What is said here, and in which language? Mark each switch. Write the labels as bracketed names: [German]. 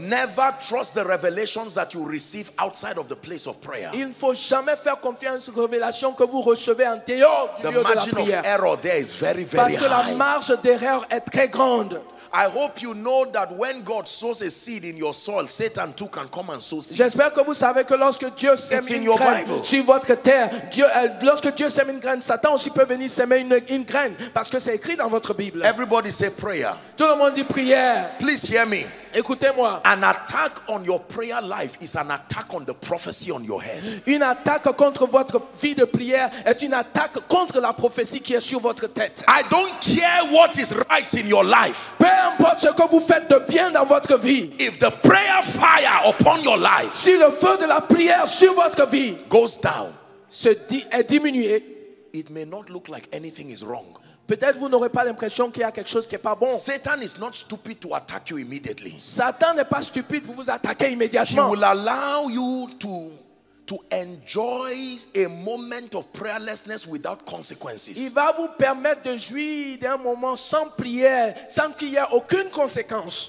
[English] Never trust the revelations that you receive outside of the place of prayer. [French] Il ne faut jamais faire confiance aux révélations que vous recevez en dehors du lieu de la prière. [English] The margin of error there is very, very high. [French] Parce que la marge d'erreur est très grande. [English] I hope you know that when God sows a seed in your soil, Satan too can come and sow seeds. [French] J'espère que vous savez que lorsque Dieu sème une graine sur votre terre, lorsque Dieu sème une graine, Satan aussi peut venir semer une graine parce que c'est écrit dans votre Bible. [English] Everybody say prayer. [French] Tout le monde dit prière. [English] Please hear me. [French] Écoutez-moi. [English] An attack on your prayer life is an attack on the prophecy on your head. [French] Une attaque contre votre vie de prière est une attaque contre la prophétie qui est sur votre tête. [English] I don't care what is right in your life. [French] Peu importe ce que vous faites de bien dans votre vie. [English] If the prayer fire upon your life, [French] si le feu de la prière sur votre vie [English] goes down, [French] se est diminué, [English] it may not look like anything is wrong. [French] Peut-être vous n'aurez pas l'impression qu'il y a quelque chose qui n'est pas bon. [English] Satan is not stupid to attack you immediately. [French] Satan n'est pas stupide pour vous attaquer immédiatement. [English] He will allow you to enjoy a moment of prayerlessness without consequences. [French] Il va vous permettre de jouir d'un moment sans prière, sans qu'il y ait aucune conséquence.